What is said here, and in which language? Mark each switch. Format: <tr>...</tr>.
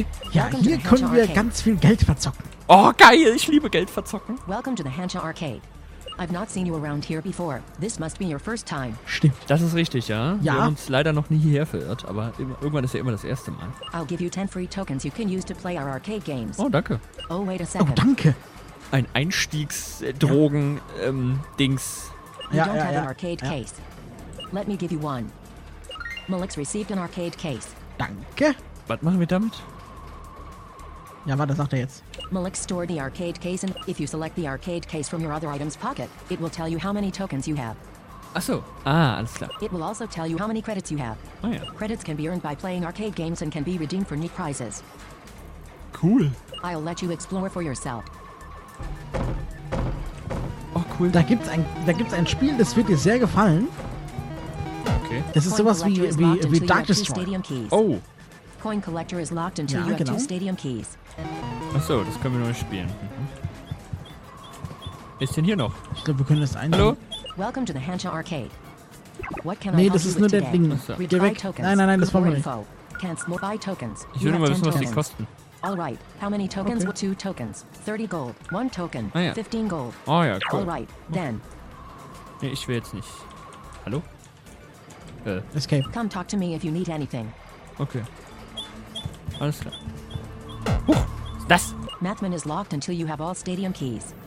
<de>Ja, hier können wir ganz viel Geld verzocken. Oh, geil, ich liebe Geld verzocken.</de> <en>Welcome to the Hancha Arcade. I've not seen you around here before. This must be your first time.</en> <de>Stimmt. Das ist richtig, ja? Ja. Wir haben uns leider noch nie hierher verirrt, aber irgendwann ist ja immer das erste Mal.</de> <en>I'll give you 10 free tokens you can use to play our arcade games.</en> <de>Oh, danke.</de> <en>Oh, wait a second.</en> <de>Oh, danke. Ein Einstiegs-Drogen-Dings. Ja.</de> <en>You don't have an arcade case. Let me give you one. Malik's received an arcade case.</en> <de>Danke. Was machen wir damit? Ja, warte, sagt er jetzt.</de> <en>Malik store the arcade case and if you select the arcade case from your other item's pocket, it will tell you how many tokens you have.</en> <de>Ach so. Ah, alles klar.</de> <en>It will also tell you how many credits you have.</en> <de>Oh ja.</de> <en>Credits can be earned by playing arcade games and can be redeemed for neat prizes. Cool. I'll let you explore for yourself. cool.</en> <de>Da gibt's ein Spiel, das wird dir sehr gefallen. Okay. Das ist sowas wie Dark Destroy. Oh.</de> <en>Coin Collector is locked until you have two stadium keys.</en> <de>Achso, das können wir nur spielen. Ist denn hier noch? Ich glaube, wir können das einnehmen.</de> <en>Hallo? Welcome to the Hansha Arcade. What can</en> <de>nee, I das ist nur der Ding. Nein, das wollen wir nicht.</de> <en>Buy tokens.</en> <de>Ich will nur mal wissen, was die kosten.</de> <en>All right. How many tokens? Okay. Two tokens. 30 gold. One token. 15 gold.</en> <de>Oh ja,</de> <en>cool. All right. Then.</en> <de>Nee, ich will jetzt nicht. Hallo?</de> <en>Escape. Come talk to me if you need anything.</en> <de>Okay. Alles klar. Huch, das.</de> <en>Mathman is locked until you have all stadium keys.</en>